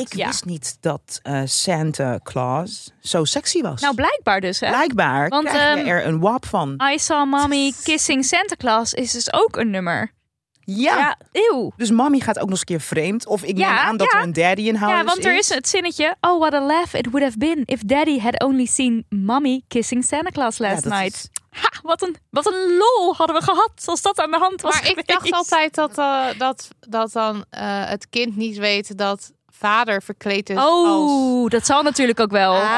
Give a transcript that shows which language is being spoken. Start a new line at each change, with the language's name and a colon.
Dutch: Ik wist niet dat Santa Claus zo sexy was. Nou, blijkbaar dus, hè? Want krijg je er een wap van. I Saw Mommy Kissing Santa Claus is dus ook een nummer. Ja. Eeuw. Dus mommy gaat ook nog eens een keer vreemd. Of ik neem aan dat er een daddy in house is. Ja, want er is het zinnetje.
English: Oh, what a laugh it would have been if daddy had only seen mommy kissing Santa Claus last night.
Dutch: Wat een lol hadden we gehad als dat aan de hand was Maar geweest. Ik dacht altijd dat het kind niet weet dat... vader verkleed is als... dat zal natuurlijk ook wel.